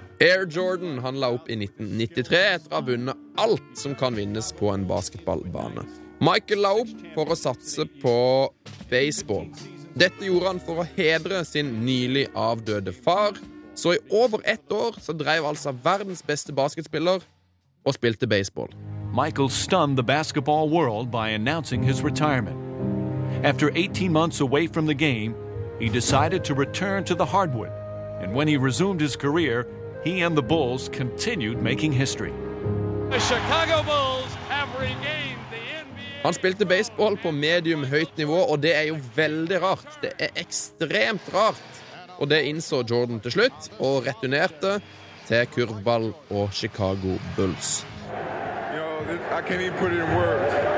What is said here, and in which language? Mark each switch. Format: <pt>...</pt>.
<no>Air Jordan, han la opp i 1993 etter å ha vunnet alt som kan vinnes på en basketballbane. Michael la opp for å satse på baseball. Dette gjorde han for å hedre sin nylig avdøde far. Så i over 1 år så drev altså verdens beste basketspiller og spilte baseball.</no> <en>Michael stunned the basketball world by announcing his retirement. After 18 months away from the game, he decided to return to the hardwood. And when he resumed his career, he and the Bulls continued making history. The Chicago Bulls have regained the NBA.</en> <no>Han spilte baseball på medium høyt nivå, og det er jo veldig rart. Det er ekstremt rart. Og det innså Jordan til slutt, og returnerte til kurvball og Chicago Bulls.</no> <en>You know, I can't even put it in words.</en>